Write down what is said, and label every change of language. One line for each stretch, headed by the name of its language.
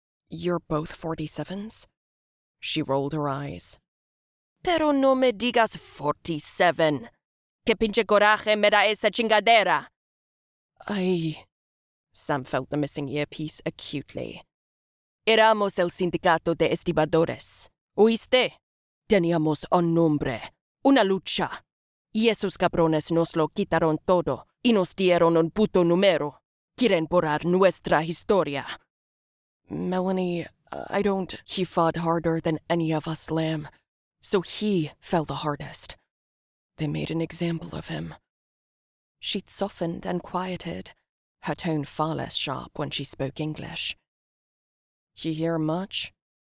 English: You're both 47s? She rolled her eyes.
Spanish: Pero no me digas 47. Que pinche coraje me da esa chingadera. Ay,
English: Sam felt the missing earpiece acutely.
Spanish: Éramos el sindicato de estibadores. ¿Oíste? Teníamos un nombre. Una lucha. Y esos cabrones nos lo quitaron todo y nos dieron un puto número. Quieren borrar nuestra historia.
English: Melanie, I don't... He fought harder than any of us, Lam. So he fell the hardest. They made an example of him. She'd softened and quieted, her tone far less sharp when she spoke English. He hear much?